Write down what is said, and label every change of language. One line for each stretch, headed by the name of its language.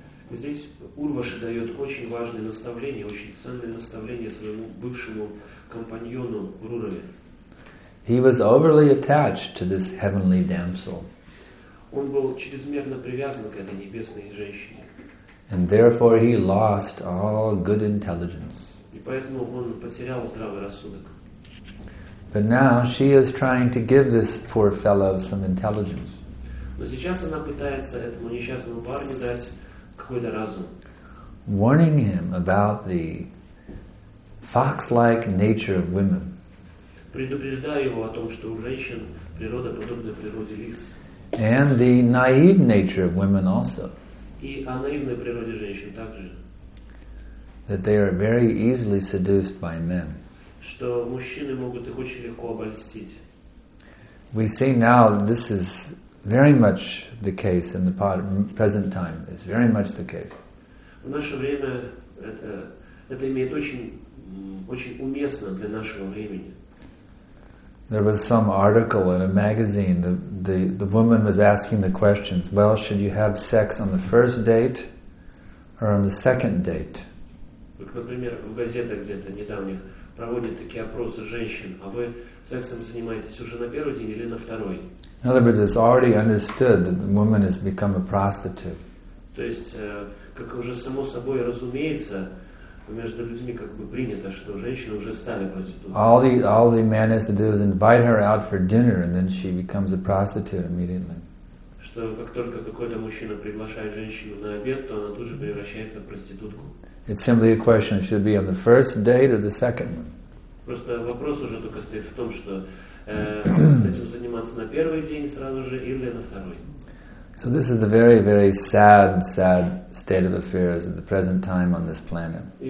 Russian: Здесь Урваши дает очень важное наставление, очень ценное наставление своему бывшему компаньону Рураве.
English: He was overly attached to this heavenly damsel.
Russian: Он был чрезмерно привязан к этой небесной женщине.
English: And therefore he lost all good intelligence.
Russian: И поэтому он потерял здравый рассудок.
English: But now she is trying to give this poor fellow some intelligence.
Russian: Но сейчас она пытается этому несчастному парню дать какой-то разум.
English: Warning him about the fox-like nature of women.
Russian: Предупреждая его о том, что у женщин природа подобна природе лис.
English: And the naive nature of women also.
Russian: И о наивной природе женщин также.
English: That they are very easily seduced by men.
Russian: Что мужчины могут их очень легко обольстить.
English: We see now this is very much the case in the present time. It's very much the case.
Russian: В наше время это имеет очень уместно для нашего времени.
English: There was some article in a magazine. The woman was asking the questions, well, should you have sex on the first date or on the second date?
Russian: Например, в газетах где-то недавних проводят такие опросы женщин. А вы сексом занимаетесь уже на первый день или на второй?
English: In other words, it's already understood that the woman has become a prostitute.
Russian: То есть, как уже само собой разумеется, между людьми как бы принято, что женщины уже стали проституткой.
English: All the man has to do is invite her out for dinner, and then she becomes a prostitute immediately.
Russian: Что как только какой-то мужчина приглашает женщину на обед, то она тут же превращается в проститутку.
English: It's simply a question: should it be on the first date or the second one?
Russian: Просто вопрос уже только стоит в том, что этим заниматься на первый день сразу же или на второй.
English: So this is a very, very sad, sad state of affairs at the present time on this planet.